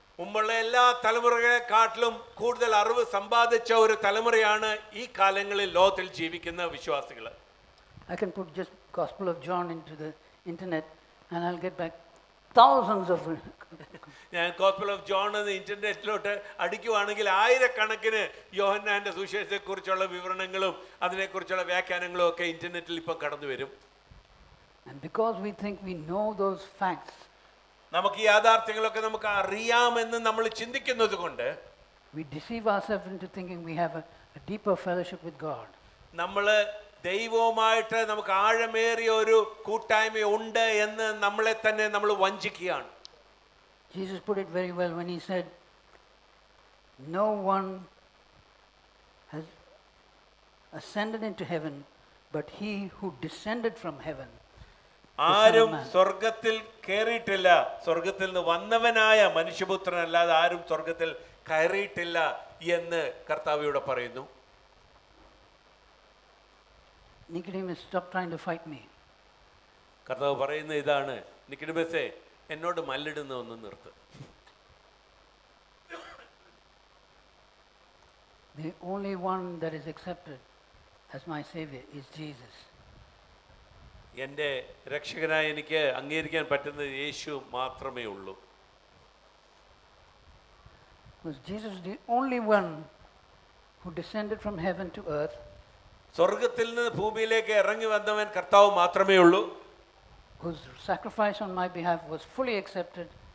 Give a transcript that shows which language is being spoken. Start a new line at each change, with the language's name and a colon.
Malayalam: മുമ്പുള്ള എല്ലാ തലമുറകളെക്കാട്ടിലും കൂടുതൽ അറിവ് സമ്പാദിച്ച ഒരു തലമുറയാണ് ഈ കാലങ്ങളിൽ ലോകത്തിൽ ജീവിക്കുന്ന വിശ്വാസികൾ.
English: I can put just Gospel of John into the internet and I'll get back thousands of
Malayalam: ഞാൻ Gospel of John എന്ന ഇന്റർനെറ്റിലോട്ട് അടിക്കുകയാണെങ്കിൽ ആയിരക്കണക്കിന് യോഹന്നാന്റെ സുവിശേഷത്തെ കുറിച്ചുള്ള വിവരണങ്ങളും അതിനെക്കുറിച്ചുള്ള വ്യാഖ്യാനങ്ങളും ഒക്കെ ഇന്റർനെറ്റിൽ ഇപ്പം കടന്നു വരും.
English: And because we think we know those facts,
Malayalam: നമുക്ക് ഈ യാഥാർത്ഥ്യങ്ങളൊക്കെ നമുക്ക് അറിയാമെന്ന് നമ്മൾ ചിന്തിക്കുന്നത് കൊണ്ട്
English: we deceive ourselves into thinking we have a deeper fellowship with God.
Malayalam: നമ്മൾ ദൈവവുമായിട്ട് നമുക്ക് ആഴമേറിയ ഒരു കൂട്ടായ്മ ഉണ്ട് എന്ന് നമ്മളെ തന്നെ നമ്മൾ വഞ്ചിക്കുകയാണ്.
English: Jesus put it very well when he said, no one has ascended into heaven but he who descended from heaven.
Malayalam: ആരും സ്വർഗത്തിൽ കയറിയിട്ടില്ല, സ്വർഗത്തിൽ നിന്ന് വന്നവനായ മനുഷ്യപുത്രൻ അല്ലാതെ ആരും സ്വർഗത്തിൽ കയറിയിട്ടില്ല എന്ന് കർത്താവ് ഇവിടെ പറയുന്നു.
English: Nicodemus, stop trying to fight me.
Malayalam: കർത്താവ് പറയുന്നത് ഇതാണ്, നിക്കഡിമസേ എന്നോട് മല്ലിടുന്ന ഒന്ന് നിർത്ത്.
English: The only one that is accepted as my savior is Jesus.
Malayalam: എൻ്റെ രക്ഷകനായി എനിക്ക് അംഗീകരിക്കാൻ പറ്റുന്നത് യേശു മാത്രമേ ഉള്ളൂ.
English: Was Jesus the only one who descended from heaven to earth?
Malayalam: സ്വർഗ്ഗത്തിൽ നിന്ന് ഭൂമിയിലേക്ക് ഇറങ്ങി വന്നവൻ കർത്താവ് മാത്രമേ ഉള്ളൂ.
English: Whose sacrifice on my behalf was fully accepted.